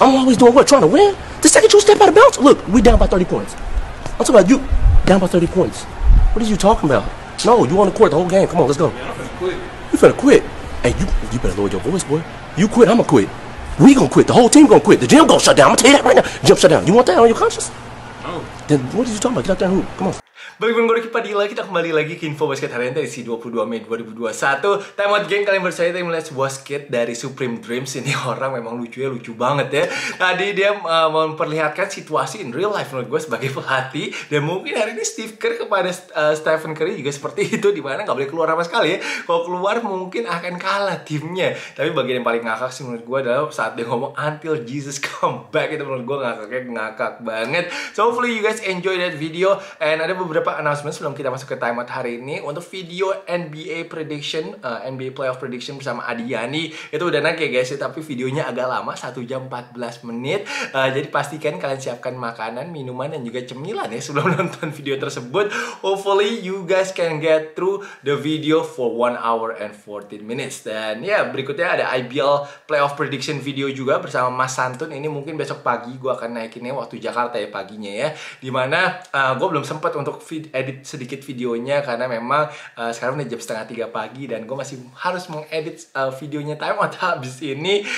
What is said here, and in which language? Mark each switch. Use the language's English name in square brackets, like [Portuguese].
[English] I'm always doing what? Trying to win? The second you step out of bounds? Look, we down by 30 points. I'm talking about you. Down by 30 points. What are you talking about? No, you on the court the whole game. Come on, let's go. Man, I'm finna quit. You finna quit? Hey, you better lower your voice, boy. You quit, I'ma quit. We gonna quit. The whole team gonna quit. The gym gonna shut down. I'ma tell you that right now. Gym shut down. You want that on your conscience? No. Then what are you talking about? Get out there and hoop. Come on. [Indonesian] Balik menggore kita di lagi, kita kembali lagi ke info basket hari ini edisi 22 Mei 2021. Time Out Gang, kalian bersama saya melihat sebuah skit dari Supreme Dreams. Ini orang memang lucunya lucu banget ya. Tadi dia memperlihatkan situasi [English] in real life [Indonesian] menurut gue sebagai pelatih. Dan mungkin hari ini Steve Kerr kepada Stephen Curry juga seperti itu. Dimana gak boleh keluar sama sekali ya. Kalau keluar mungkin akan kalah timnya. Tapi bagian yang paling ngakak sih menurut gue adalah saat dia ngomong [English] until Jesus come back. [Indonesian] Itu menurut gue ngakaknya ngakak banget. [English] So hopefully you guys enjoy that video. [Indonesian] And ada beberapa announcement sebelum kita masuk ke timeout hari ini. Untuk video NBA prediction, NBA playoff prediction bersama Adiani, itu udah naik ya guys, tapi videonya agak lama, 1 jam 14 menit. Jadi pastikan kalian siapkan makanan, minuman, dan juga cemilan ya sebelum nonton video tersebut. [English] Hopefully you guys can get through the video for 1 hour and 14 minutes. [Indonesian] Dan ya, berikutnya ada IBL playoff prediction video juga bersama Mas Santun. Ini mungkin besok pagi gue akan naikinnya waktu Jakarta ya paginya ya, dimana gue belum sempat untuk edit sedikit videonya karena memang sekarang udah 3:30 pagi dan gue masih harus mengedit videonya Time Out habis ini.